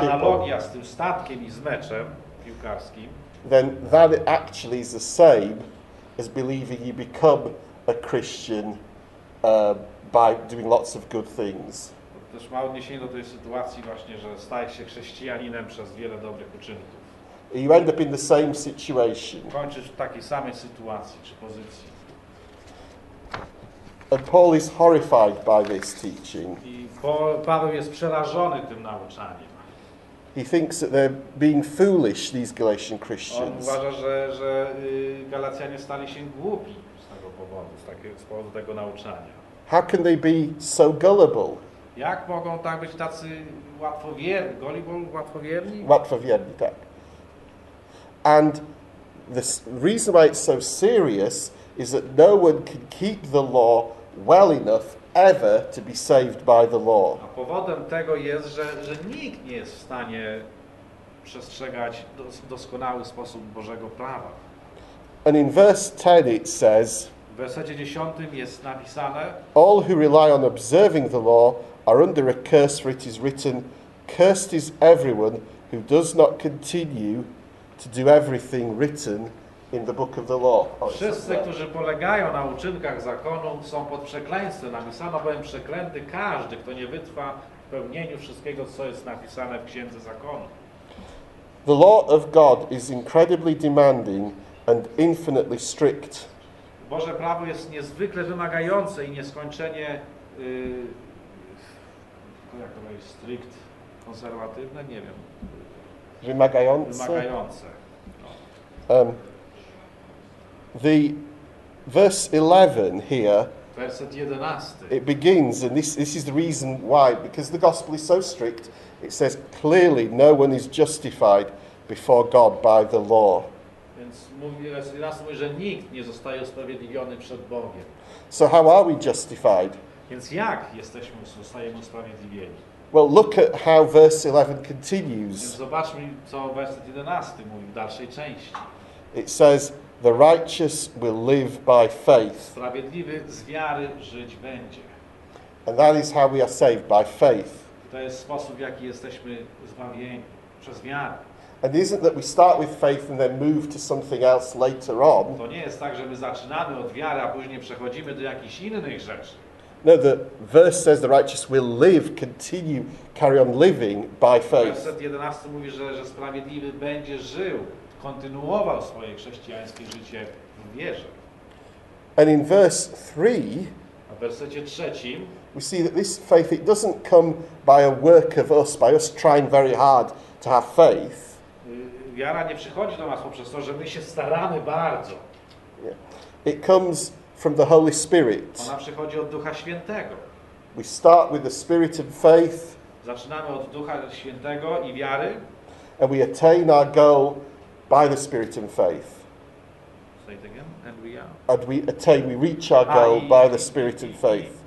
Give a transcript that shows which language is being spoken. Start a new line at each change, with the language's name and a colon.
Polish: Ta analogia z tym statkiem i z meczem piłkarskim.
English: Then that actually is the same as believing you become a Christian by doing lots of good things.
Polish: Też ma odniesienie do tej sytuacji właśnie, że stajesz się chrześcijaninem przez wiele dobrych uczynków.
English: You end up in the same situation.
Polish: Kończysz w takiej samej sytuacji czy pozycji.
English: And Paul is horrified by this teaching.
Polish: Paweł jest przerażony tym nauczaniem.
English: He thinks that they're being foolish, these Galatian Christians.
Polish: On uważa, że Galacjanie stali się głupi z tego powodu, z powodu tego nauczania.
English: How can they be so gullible?
Polish: Jak mogą tak być tacy łatwowierni,
English: gullible,
Polish: łatwowierni? Łatwowierni, tak.
English: And the reason why it's so serious is that no one can keep the law well enough ever to be saved by the law.
Polish: A powodem tego jest, że nikt nie jest w stanie przestrzegać doskonały sposób Bożego prawa.
English: And in verse 10 it says,
Polish: w wersecie 10 jest napisane,
English: all who rely on observing the law are under a curse, for it is written, cursed is everyone who does not continue to do everything written in the book of the law.
Polish: Wszyscy, którzy polegają na uczynkach zakonu, są pod przekleństwem. Napisano bowiem przeklęty każdy, kto nie wytrwa w pełnieniu wszystkiego, co jest napisane w księdze zakonu.
English: The law of God is incredibly demanding and infinitely strict.
Polish: Boże prawo jest niezwykle wymagające i nieskończenie jak to jest
English: strict,
Polish: konserwatywne, nie wiem. Wymagające.
English: The verse 11 here,
Polish: verset 11.
English: It begins, and this is the reason why, because the gospel is so strict, it says clearly no one is justified before God by the law.
Polish: Więc mówi, verset 11 mówi, że nikt nie zostaje usprawiedliwiony przed Bogiem.
English: So how are we justified?
Polish: Więc jak jesteśmy, zostajemy usprawiedliwieni?
English: Well, look at how verse 11 continues.
Polish: Więc zobaczmy, co werset 11 mówi w dalszej części.
English: It says, the righteous will live by faith.
Polish: Sprawiedliwy z wiary żyć będzie.
English: And that is how we are saved, by faith.
Polish: To jest sposób, w jaki jesteśmy zbawieni, przez wiarę.
English: And isn't that we start with faith and then move to something else later on.
Polish: To nie jest tak, że my zaczynamy od wiary, a później przechodzimy do jakichś innych rzeczy.
English: No, the verse says the righteous will live, continue, carry on living by faith.
Polish: Werset 11 mówi, że sprawiedliwy będzie żył, kontynuował swoje chrześcijańskie życie w wierze.
English: And in verse 3,
Polish: a w wersecie trzecim,
English: we see that this faith, it doesn't come by a work of us, by us trying very hard to have faith.
Polish: Wiara nie przychodzi do nas poprzez to, że my się staramy bardzo.
English: Yeah. It comes from the Holy Spirit.
Polish: Ona przychodzi od Ducha Świętego.
English: We start with the Spirit of faith.
Polish: Zaczynamy od Ducha Świętego i wiary.
English: And we attain our goal by the Spirit and faith. Say it again. And we are. And we attain, we reach our goal by the Spirit and faith.